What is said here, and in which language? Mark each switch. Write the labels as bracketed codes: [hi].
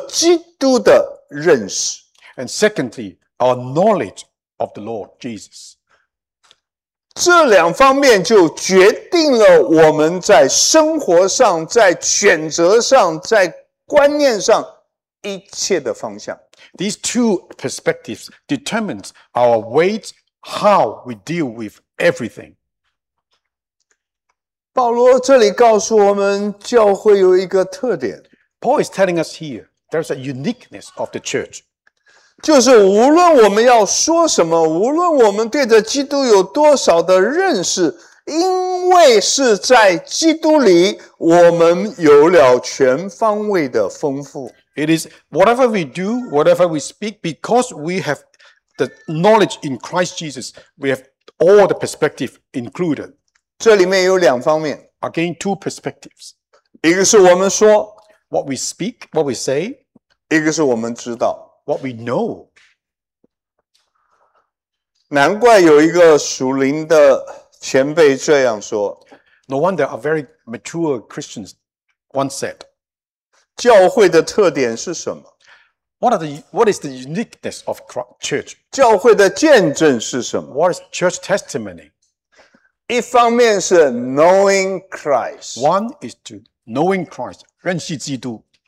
[zh] 一方面是我们对着基督的认识, [en] and secondly, our knowledge of the Lord Jesus. [zh] 这两方面就决定了我们在生活上、在选择上、在观念上 一切的方向. [en] These two perspectives determine our weight, how we deal with everything. [zh] 保罗这里告诉我们教会有一个特点, [en] Paul is telling us here, there's a uniqueness of the church. [zh] 就是无论我们要说什么, 无论我们对着基督有多少的认识, 因为是在基督里, 我们有了全方位的丰富。 [en] It is whatever we do, whatever we speak, because we have the knowledge in Christ Jesus, we have all the perspective included. [zh] 这里面有两方面, [en] again, two perspectives. [zh] 一个是我们说, [en] what we speak, what we say, [zh] 一个是我们知道, [en] what we know. [zh] 难怪有一个属灵的前辈这样说, [en] no wonder a very mature Christian once said, [zh] 教会的特点是什么? [en] What is the uniqueness of church? [zh] 教会的见证是什么? [en] What is church testimony? [zh] 一方面是 [en] knowing Christ. One is to knowing Christ, [zh] 认识基督.